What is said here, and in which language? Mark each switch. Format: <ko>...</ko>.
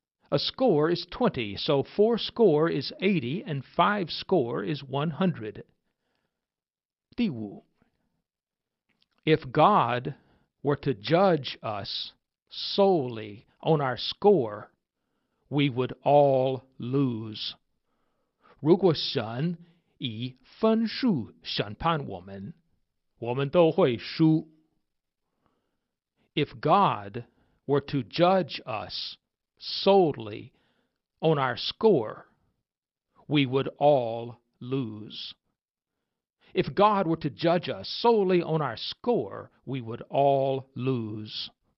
<en>A score is 20, so 4 score is 80 and 5 score is 100.</en> <zh>第五，</zh> <en>If God were to judge us solely on our score, we would all lose.</en> <zh>如果神以分数审判我们，我们都会输。</zh> <en>If Godwere to judge us solely on our score, we would all lose. If God were to judge us solely on our score, we would all lose.</en>